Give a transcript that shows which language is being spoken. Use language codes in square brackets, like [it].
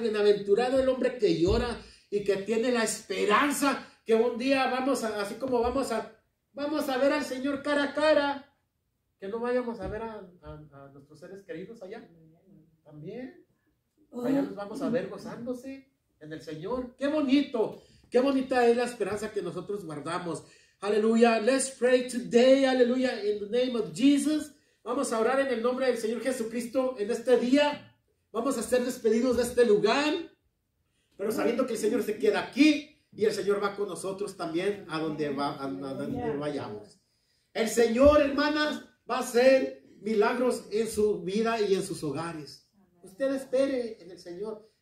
[es] Bienaventurado el hombre que llora y que tiene la esperanza que un día vamos a, así como vamos a ver al Señor cara a cara, que no vayamos a ver a nuestros seres queridos allá también. Allá nos vamos a ver gozándose en el Señor. Qué bonito, qué bonita es la esperanza que nosotros guardamos. [en] Aleluya, let's pray today, aleluya, in the name of Jesus. [es] Vamos a orar en el nombre del Señor Jesucristo en este día. Vamos a ser despedidos de este lugar, pero sabiendo que el Señor se queda aquí y el Señor va con nosotros también a donde va, a donde vayamos. El Señor, hermanas, va a hacer milagros en su vida y en sus hogares. Usted espere en el Señor.